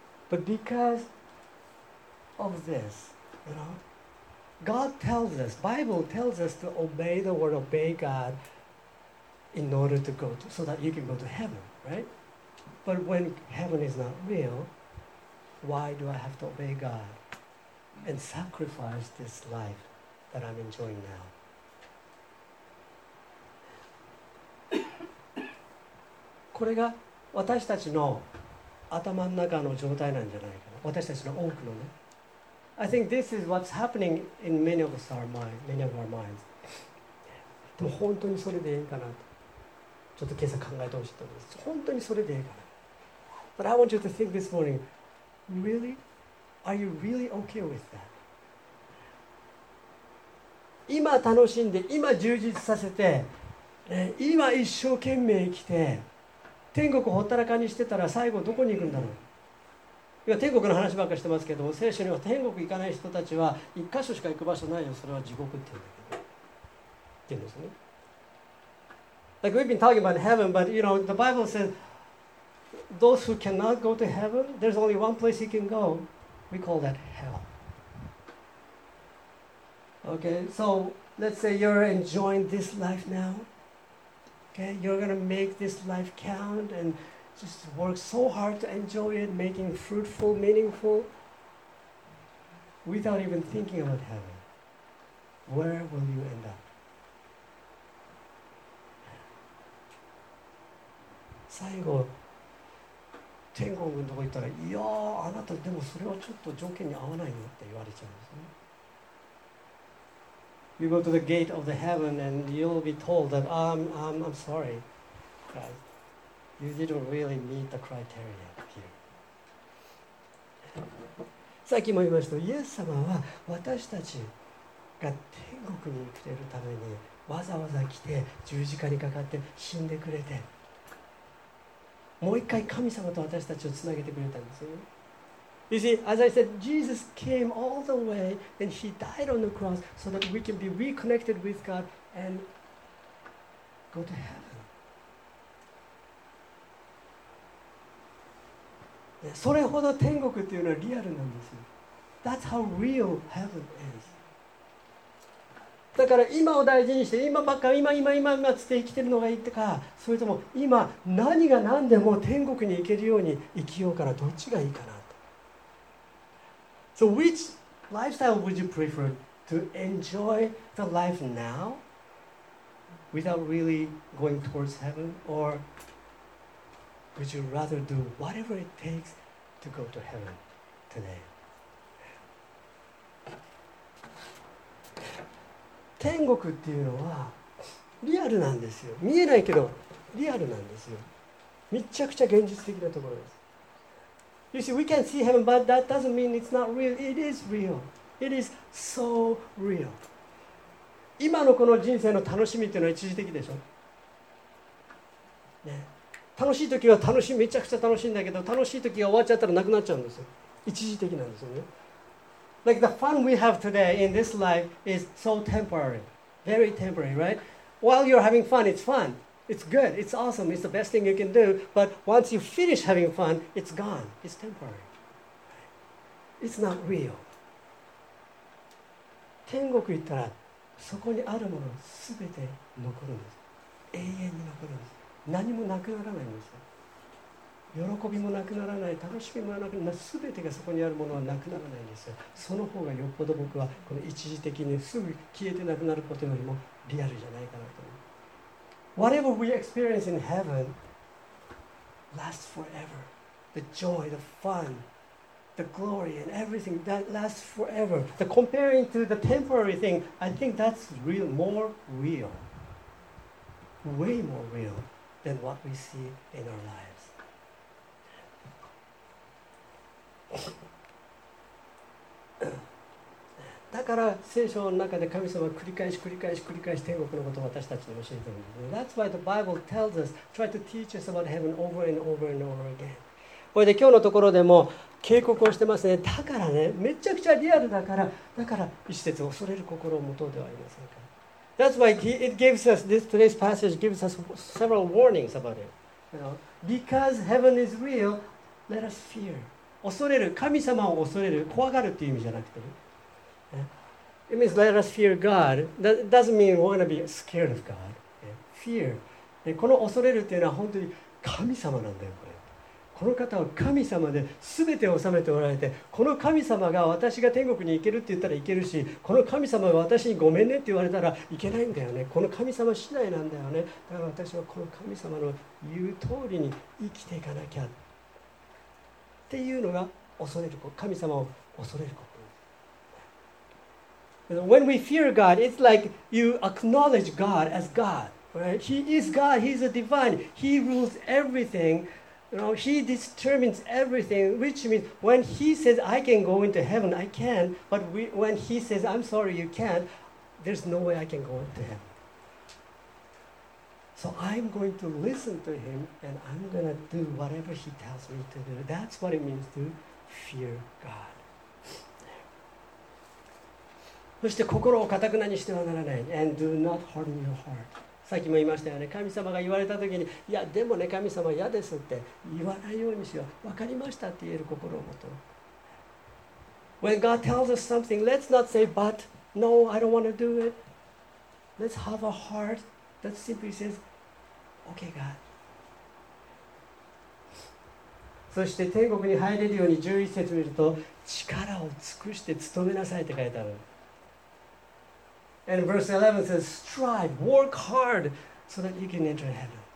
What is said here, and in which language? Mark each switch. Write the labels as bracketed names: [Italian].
[English] But because of this, you know, God tells us, Bible tells us to obey the word, obey God in order to go to, so that you can go to heaven, right? But when heaven is not real, Why do I have to obey God and sacrifice this life that I'm enjoying now? [Japanese] これが私たちの頭の中の状態なんじゃないかな。私たちの多くのね。 [English] I think this is what's happening in many of our minds. Many of our minds. [Japanese] でも本当にそれでいいかなと。ちょっと今朝考えてほしいと思います。本当にそれでいいかな。 [English] But I want you to think this morning. Really? Are you really okay with that? [Japanese] 今楽しんで、今充実させて、今一生懸命生きて、天国をほったらかにしてたら最後どこに行くんだろう。今天国の話ばっかりしてますけど、聖書には天国行かない人たちは一箇所しか行く場所ないよ、それは地獄って言うんだけど、って言うんですね。 [English] Like we've been talking about heaven, but you know, the Bible says those who cannot go to heaven, there's only one place he can go. We call that hell. Okay, so let's say you're enjoying this life now. Okay, you're going to make this life count and just work so hard to enjoy it, making fruitful, meaningful, without even thinking about heaven. Where will you end up? [Japanese] 最後、天国のところ行ったら、いやー、あなた、でもそれはちょっと条件に合わないよって言われちゃうんですね。 [English] You go to the gate of the heaven and you'll be told that I'm sorry, guys. You didn't really meet the criteria here. [Japanese] さっきも言いましたイエス様は私たちが天国に行くれるためにわざわざ来て十字架にかかって死んでくれて、もう一回神様と私たちをつなげてくれたんですよ。 [English] You see, as I said, Jesus came all the way and he died on the cross so that we can be reconnected with God and go to heaven. [Japanese] それほど天国っていうのはリアルなんですよ。 [English] That's how real heaven is. [Japanese] だから今を大事にして、今ばっか、今がつって生きてるのがいいとか、それとも今何が何でも天国に行けるように生きようから、どっちがいいかな。 [English] So which lifestyle would you prefer? To enjoy the life now without really going towards heaven? Or would you rather do whatever it takes to go to heaven today? [Japanese] 天国っていうのはリアルなんですよ。見えないけどリアルなんですよ。めちゃくちゃ現実的なところです。 [English] You see, we can see heaven, but that doesn't mean it's not real. It is real. It is so real. [Japanese] 今のこの人生の楽しみっていうのは一時的でしょ、ね、楽しい時は楽しい、めちゃくちゃ楽しいんだけど、楽しい時が終わっちゃったらなくなっちゃうんですよ。一時的なんですよね。 [English] Like the fun we have today in this life is so temporary. Very temporary, right? While you're having fun, it's fun. It's good. It's awesome. It's the best thing you can do. But once you finish having fun, it's gone. It's temporary. It's not real. [Japanese] 天国行ったらそこにあるものすべて残るんです。永遠に残るんです。何もなくならないんですよ。喜びもなくならない。楽しみもなくならない。すべてがそこにあるものはなくならないんですよ。その方がよっぽど僕はこの一時的にすぐ消えてなくなることよりもリアルじゃないかなと思う。 [English] Whatever we experience in heaven lasts forever. The joy, the fun, the glory, and everything that lasts forever. The comparing to the temporary thing, I think that's real, more real. Way more real than what we see in our lives. [Japanese] だから聖書の中で神様は繰り返し繰り返し繰り返し天国のことを私たちに教えているんです。 [English] That's why the Bible tells us, try to teach us about heaven over and over and over again. [Japanese] これで今日のところでも警告をしてますね。だからね、めちゃくちゃリアルだから、だから一節を恐れる心を持とうではありませんか。 [English] That's why it gives us, this today's passage gives us several warnings about it. You know, because heaven is real, let us fear. [Japanese] 恐れる、神様を恐れる、怖がるっていう意味じゃなくてね。 [English] It means let us fear God. That doesn't mean we want to be scared of God. Fear. [Japanese] この恐れるっていうのは本当に神様なんだよ。これ。この方は神様で全てを治めておられて、この神様が私が天国に行けるって言ったら行けるし、この神様が私にごめんねって言われたら行けないんだよね。この神様次第なんだよね。だから私はこの神様の言う通りに生きていかなきゃっていうのが恐れる、神様を恐れること。 [English] When we fear God, it's like you acknowledge God as God, right? He is God, He is a divine, He rules everything, you know, He determines everything, which means when He says, I can go into heaven, I can, but when He says, I'm sorry, you can't, there's no way I can go into heaven. So I'm going to listen to Him, and I'm going to do whatever He tells me to do. That's what it means to fear God. [Japanese] そして心を固くなにしてはならない。 [English] And do not harden your heart. [Japanese] さっきも言いましたよね。神様が言われたときに、いやでもね神様嫌ですって言わないようにしよう。分かりましたって言える心を持とう。 [English] When God tells us something, let's not say, but no, I don't want to do it. Let's have a heart that simply says, okay, God. [Japanese] そして天国に入れるように11節見ると、力を尽くして努めなさいって書いてある。 [English] And verse 11 says, strive, work hard, so that you can enter heaven.